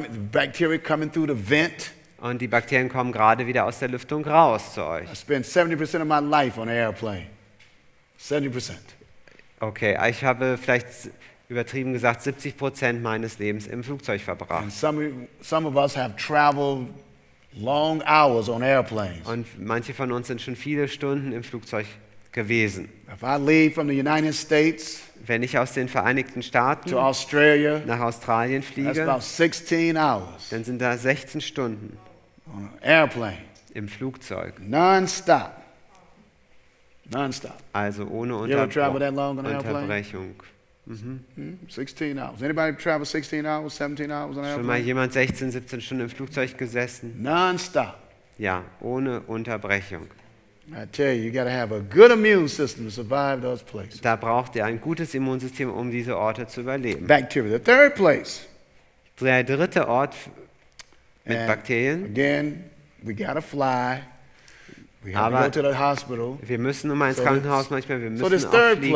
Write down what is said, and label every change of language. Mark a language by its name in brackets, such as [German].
[English] Bacteria coming through the vent. [German] Und die Bakterien kommen gerade wieder aus der Lüftung raus zu euch. [English] I spend 70% of my life on an airplane. 70%. [German] Okay, ich habe vielleicht übertrieben gesagt 70% meines Lebens im Flugzeug verbracht. [English] And some of us have traveled long hours on airplanes. [German] Und manche von uns sind schon viele Stunden im Flugzeug gewesen. [English] If I leave from the United States, [German] wenn ich aus den Vereinigten Staaten [English] to Australia, [German] nach Australien fliege, [English] that's about 16 hours, [German] dann sind da 16 Stunden [English] on an airplane, [German] im Flugzeug. [English] Non-stop. Non-stop. [German] Also ohne Unterbrechung. [English] 16 hours. Anybody travel 16 hours, 17 hours on an airplane? [German] Schon mal jemand 16, 17 Stunden im Flugzeug gesessen? [English] Non-stop. [German] Ja, ohne Unterbrechung. [English] I tell you, you got to have a good immune system to survive those places. [German] Da braucht ihr ein gutes Immunsystem, um diese Orte zu überleben. [English] Bacteria, the third place. [German] Der dritte Ort mit Bakterien. [English] Again, we got to fly. [German] Aber wir müssen nun mal ins Krankenhaus manchmal, wir müssen auch fliegen.